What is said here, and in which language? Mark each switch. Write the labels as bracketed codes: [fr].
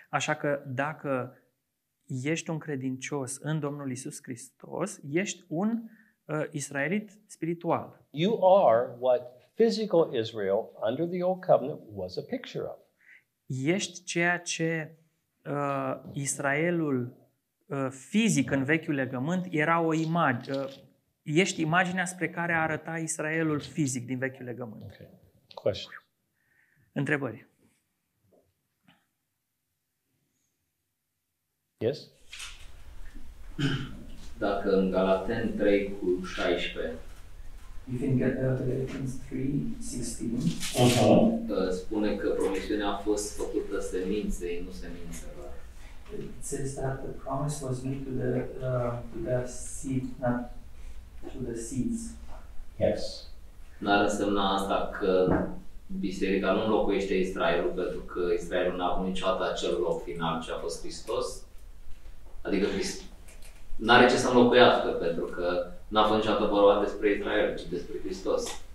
[ro] Așa că dacă ești un credincios în Domnul Iisus Hristos, ești un israelit spiritual. [en] You are what physical Israel under the old covenant was a picture of. [ro] Ești ceea ce Israelul fizic în vechiul legământ era o imagine. Ești imaginea spre care arăta Israelul fizic din vechiul legământ. [en] Okay. Question. [ro] Întrebări. [en] Yes? [ro] Dacă în Galateni 3 cu 16 [en] if in Galatians 3:16 [ro] spune că promisiunea a fost făcută seminței, nu semințelor. [en] It says that the promise was made to the seed, not to the seeds. Yes. [ro] N-ar însemna asta că biserica nu înlocuiește Israelul pentru că Israelul n-a avut niciodată acel loc final ce a fost Hristos? Adică n-are ce să înlocuiască pentru că n-a fost niciodată vorba despre Israel, ci despre Hristos.